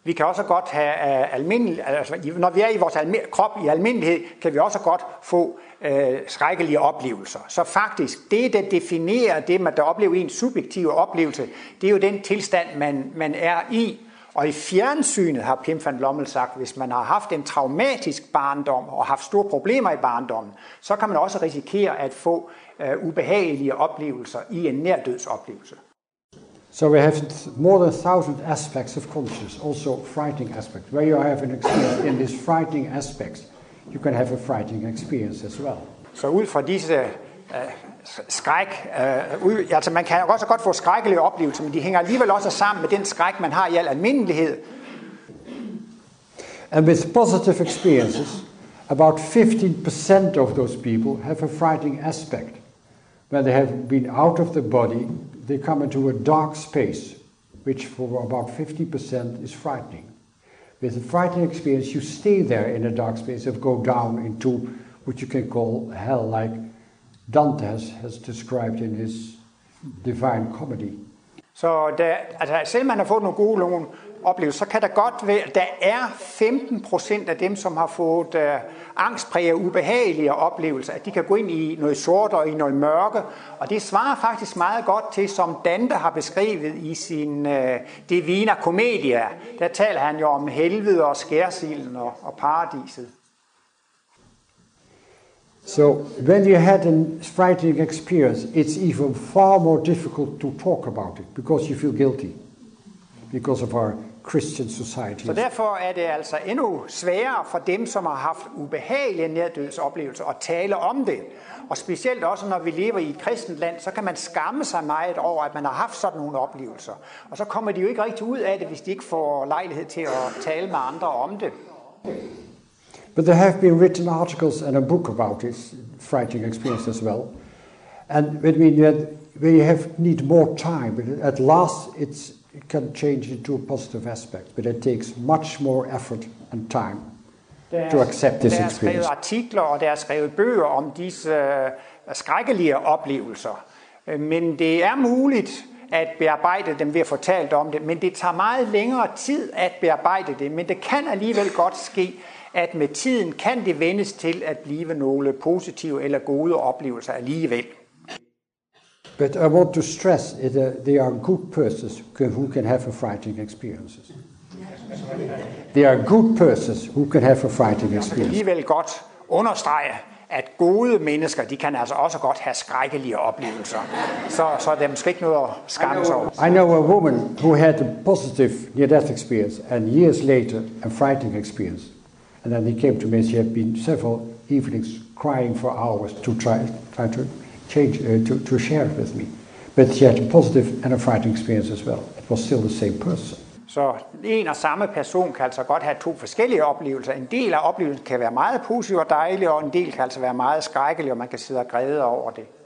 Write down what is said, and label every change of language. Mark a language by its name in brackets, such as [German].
[Danish] Vi kan også godt have almindelig, altså når vi er i vores krop i almindelighed, kan vi også godt få skrækkelige oplevelser. Så faktisk det der definerer det man der oplever en subjektiv oplevelse, det er jo den tilstand man er i. Og i fjernsynet har Pim van Lommel sagt, hvis man har haft en traumatisk barndom og haft store problemer i barndommen, så kan man også risikere at få ubehagelige oplevelser i en nærdødsoplevelse. [English] So we have more than 1,000 aspects of consciousness, also frightening aspects. Where you have an experience in these frightening aspects, you can have a frightening experience as well. [Danish] Så ud fra disse skræk, altså man kan også godt få skrækkelige oplevelser, men de hænger alligevel også sammen med den skræk, man har i al almindelighed. [English] And with positive experiences, about 15% of those people have a frightening aspect. When they have been out of the body, they come into a dark space, which for about 50% is frightening. With a frightening experience, you stay there in a dark space and go down into what you can call hell, like Dante has described in his Divine Comedy. [Danish] Så der, altså selv man har fået nogle gode nogle oplevelser, så kan der godt være, der er 15% af dem, som har fået angstpræget ubehagelige oplevelser, at de kan gå ind i noget sort og i noget mørke, og det svarer faktisk meget godt til, som Dante har beskrevet i sin Divina Commedia. Der taler han jo om helvede og skærsilden og paradiset. [English] So when you had a frightening experience, it's even far more difficult to talk about it because you feel guilty because of our Christian societies. [Danish] Så derfor er det altså endnu sværere for dem, som har haft ubehagelige nærdødsoplevelser, at tale om det. Og specielt også, når vi lever i et kristent land, så kan man skamme sig meget over, at man har haft sådan nogle oplevelser. Og så kommer de jo ikke rigtig ud af det, hvis de ikke får lejlighed til at tale med andre om det. [English] But there have been written articles and a book about this frightening experience as well. And I mean that we have need more time, but at last it's, it can change into a positive aspect, but it takes much more effort and time to accept this experience. [Danish] Der er skrevet artikler, og der er skrevet bøger om disse skrækkelige oplevelser. Men det er muligt at bearbejde dem ved at fortælle om det, men det tager meget længere tid at bearbejde det, men det kan alligevel godt ske, at med tiden kan det vendes til at blive nogle positive eller gode oplevelser alligevel. [English] But I want to stress that they are good persons who can have a frightening experience. They are good persons who can have a frightening experience. [Danish] Jeg vil godt understrege, at gode mennesker, de kan altså også godt have skrækkelige oplevelser. Så det er måske ikke noget at skamme sig over. [English] I know a woman who had a positive near-death experience and years later a frightening experience. And then he came to me and she had been several evenings crying for hours to try to change to share it with me. But she had a positive and a frightening experience as well. It was still the same person. [Danish] Så en og samme person kan altså godt have to forskellige oplevelser. En del af oplevelsen kan være meget positiv og dejlig, og en del kan altså være meget skrækkelig, og man kan sidde og græde over det.